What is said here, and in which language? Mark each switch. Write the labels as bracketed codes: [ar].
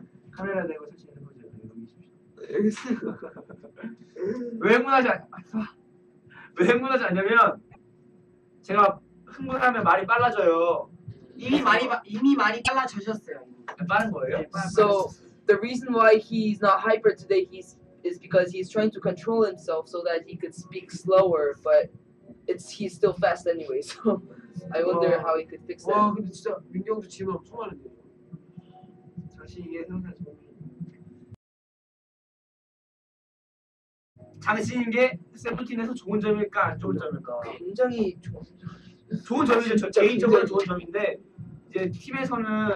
[ko] 카메라 대고 사진 찍는 거죠. 여기서 왜 흥분하지 않냐면 제가 흥분하면 말이 빨라져요. 이미 말이 빨라져셨어요. 빠른 거예요? 네, [en] so the reason why he's not hyper today he's is because he's trying to control himself so that he could speak slower, but it's he's still fast anyway, so I wonder how he could fix that. [ko] 와, 근데 진짜 민경도 지금 엄청 많은데. 자신 있게 자신 있게 세븐틴에서 좋은 점일까 안 좋은 점일까? 굉장히 좋은 점. 좋은 점이죠. 저 개인적으로 좋은 점인데 이제 팀에서는